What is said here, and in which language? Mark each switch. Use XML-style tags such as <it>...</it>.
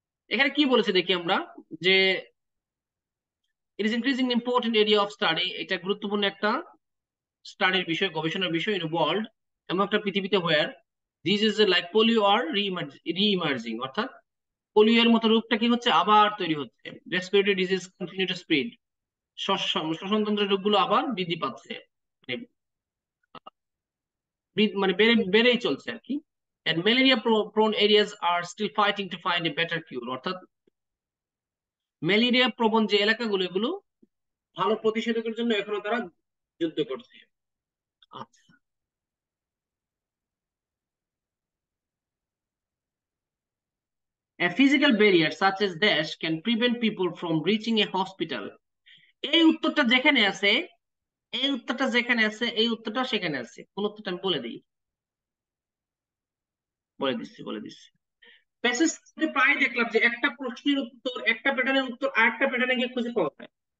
<bn>এখানে কি বলেছে দেখি আমরা, যে</bn> <en>it is increasing important area of study,</en> <bn>এটা গুরুত্বপূর্ণ একটা স্টাডির বিষয়, গবেষণার বিষয়</bn> <en>in world,</en> <bn>এমন একটা পৃথিবীতে</bn> <en>where diseases like polio are re emerging,</en> <bn>অর্থাৎ পোলিও এর মতো রোগটা কি হচ্ছে আবার তৈরি হচ্ছে,</bn> <en>respiratory disease continue to spread,</en> <bn>শ্বসনতন্ত্রের রোগগুলো আবার বৃদ্ধি পাচ্ছে, মানে বেড়ে বেড়েই চলছে আর কি।</bn> <en>And malaria prone areas are still fighting to find a better cure.</en> <bn>অর্থাৎ ম্যালেরিয়া প্রবণ যে এলাকাগুলো, এগুলো ভালো প্রতিষেধকের জন্য এখনো তারা যুদ্ধ করছে।</bn> <en>আচ্ছা, A physical barrier such as dash can prevent people from reaching a hospital.</en> <bn>এই উত্তরটা যেখানে আছে, এই উত্তরটা যেখানে আছে, এই উত্তরটা সেখানে আছে, কোন উত্তরটা আমি বলে দিই, বলে দিচ্ছি, বলে দিচ্ছি। প্যাসেজ প্রায় দেখলাম যে একটা প্রশ্নের উত্তর একটা প্যাটার্নের উত্তর আর একটা প্যাটার্নে গিয়ে খুঁজে পাওয়া যায়।</bn>